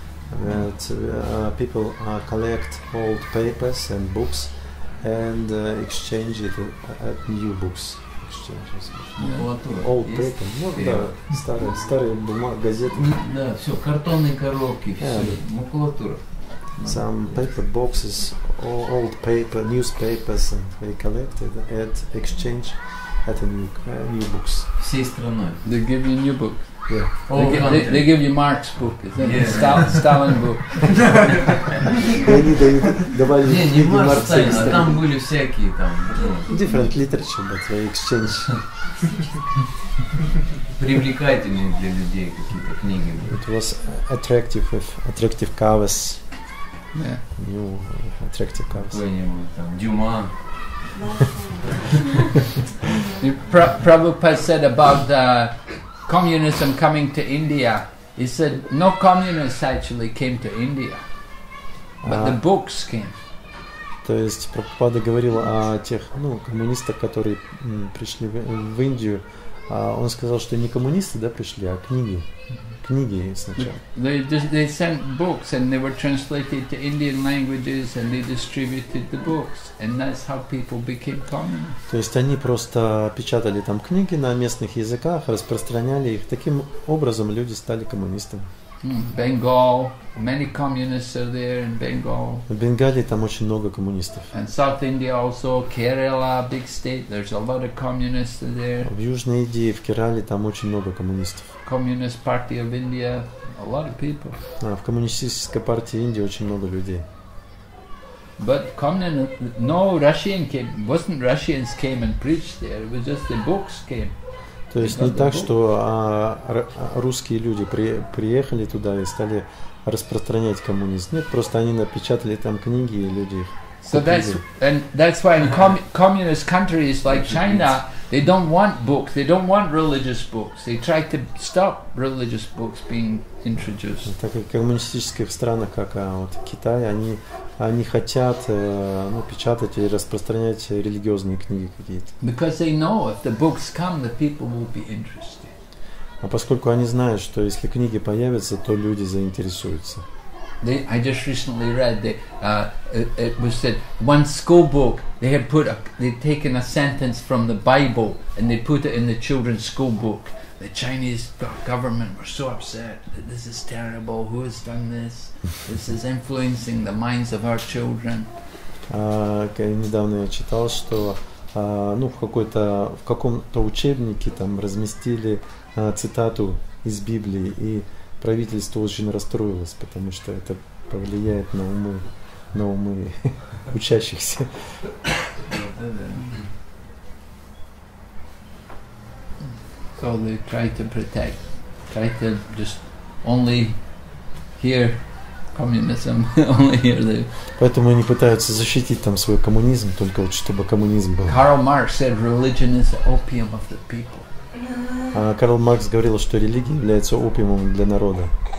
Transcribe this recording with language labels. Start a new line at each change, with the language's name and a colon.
English: that people collect old papers and books and exchange it at new books. Yeah. Old paper,
Russian: ну да, старые, старые бумаги, газеты. Да, все, картонные коробки, все, макулатура.
English: Some paper boxes, old paper, newspapers, and they collected at exchange at a new books.
Russian: Всей страной.
English: They give you new book. Yeah. They give you Marx book. Yeah. Stalin book.
Russian: Они давали не Марк, а там были всякие там.
English: Different literature, but they exchange.
Russian: Привлекательные для людей какие-то книги.
English: It was attractive with attractive covers. New attractive covers.
Russian: Дюма.
English: Prabhupada said about the communism coming to India. He said no communists actually came to India, but the books came.
Russian: То есть Прабхупада говорил о тех, ну, коммунистах, которые пришли в Индию. Он сказал, что не коммунисты, да, пришли, а книги. Книги сначала.
English: They sent books and they were translated to Indian languages and they distributed the books and that's how people became communists.
Russian: То есть они просто печатали там книги на местных языках, распространяли их. Таким образом люди стали коммунистами.
English: Bengal, many communists are there in Bengal.
Russian: В Бенгалии там очень много коммунистов.
English: And South India also, Kerala, big state, there's a lot of communists there.
Russian: В Южной Индии, в Керале, там очень много коммунистов.
English: Communist Party of India, a lot of people.
Russian: А в коммунистической партии Индии очень много людей.
English: But communist, no Russian came, wasn't Russians came and preached there, it was just the books came.
Russian: То есть не так, что русские люди приехали туда и стали распространять коммунизм. Нет, просто они напечатали там книги и люди их купили.
English: So that's, and that's why in communist countries like China, they don't want books, they don't want religious books. They try to stop religious books being introduced.
Russian: Так как в коммунистических странах, как вот Китай, они хотят печатать и распространять религиозные книги какие-то.
English: Because they know if the books come, the people will be interested.
Russian: А поскольку они знают, что если книги появятся, то люди заинтересуются.
English: I just recently read that it was said one school book they had put they'd taken a sentence from the Bible and they put it in the children's school book. The Chinese government were so upset that this is terrible. Who has done this? This is influencing the minds of our children.
Russian: Недавно я читал, что в каком-то учебнике там разместили цитату из Библии, и правительство очень расстроилось, потому что это повлияет на умы учащихся.
English: So they try to just only hear communism, only hear the.
Russian: Поэтому они пытаются защитить там свой коммунизм, только вот чтобы коммунизм был.
English: Karl Marx said religion is the opium of the people.
Russian: Карл Маркс говорил, что религия является опиумом для народа.